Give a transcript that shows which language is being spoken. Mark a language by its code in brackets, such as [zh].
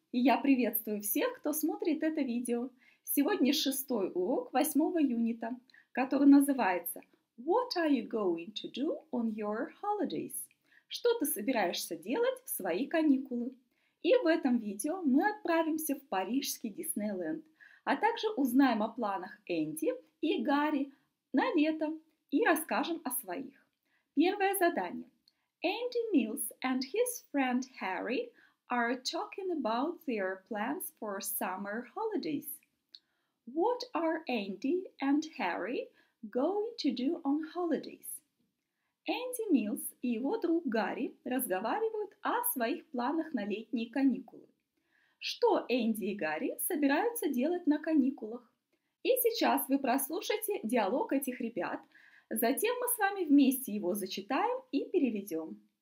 [ru] Я приветствую всех, кто смотрит это видео. Сегодня шестой урок восьмого юнита, который называется [en] What are you going to do on your holidays? [ru] Что ты собираешься делать в свои каникулы? И в этом видео мы отправимся в Парижский Диснейлэнд, а также узнаем о планах Энди и Гарри на лето и расскажем о своих. Первое задание. [en] Энди Милс and his friend Harry are talking about their plans for summer holidays. What are Andy and Harry going to do on holidays? [ru] Энди Милс и его друг Гарри разговаривают о своих планах на летние каникулы. Что Энди и Гарри собираются делать на каникулах? И сейчас вы прослушаете диалог этих ребят, затем мы с вами вместе его зачитаем и переведем.